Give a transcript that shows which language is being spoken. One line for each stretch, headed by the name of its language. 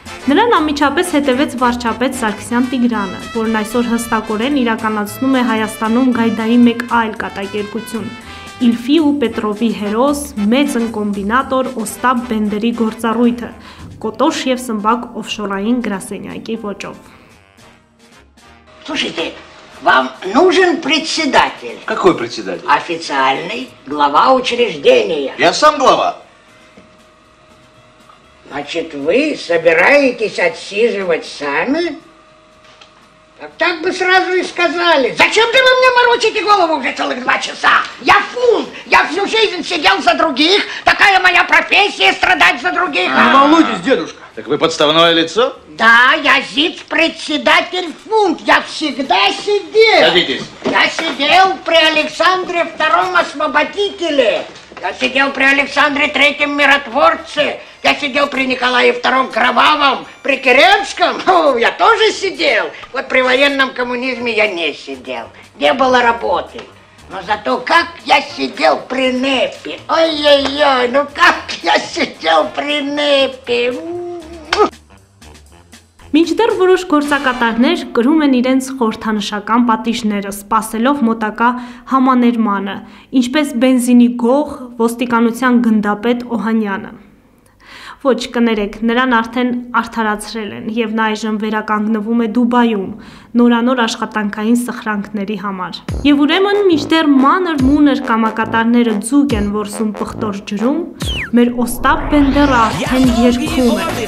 Armenian: Նրան անմիջապես հետևեց վարչապետ Սարգսյան Տիգրանը, որն այսօր հստակորեն իրականացնում է Հայաստանում Գայդայի մեկ այլ կատակերգություն. Իլֆի ու Պետրովի հերոս, մեծ ընկոմբինատոր Օստապ Բենդերի գործառույթը, կոտոշ և սմբակ օֆշորային գրասենյակի ոճով։
Russian: Слушайте, вам нужен председатель. Какой председатель? Официальный, глава учреждения. Я сам глава. Значит, вы собираетесь отсиживать сами? Так бы сразу и сказали. Зачем ты вы мне морочите голову уже целых 2 часа? Я фунт, я всю жизнь сидел за других. Такая моя профессия, страдать за других. Не волнуйтесь, дедушка. Так вы подставное лицо? Да, я зиц-председатель фунт. Я всегда сидел. Садитесь. Я сидел при Александре II освободителе. Я сидел при Александре III миротворце. Я сидел при Николае II кровавом. При Керенском я тоже сидел. Вот при военном коммунизме я не сидел. Не было работы. Но зато как я сидел при НЭПе. Ой-ой-ой, ну как я сидел при НЭПе.
Armenian: Մինչդեռ որոշ գործակատարներ կրում են իրենց խորհրդանշական պատիժները, սպասելով մոտակա համաներմանը, ինչպես բենզինի գող, ոստիկանության գնդապետ Օհանյանը։ Ոչ, կներեք, նրան արդեն արդարացրել են, և նա այժմ վերականգնվում է Դուբայում, նորանոր աշխատանքային սխրանքների համար։ Եվ ուրեմն, մինչդեռ մանր մունր կամակատարները ձուկ են որսում պխտոր ջրում, մեր Օստապ Բենդերը արդեն երգում է.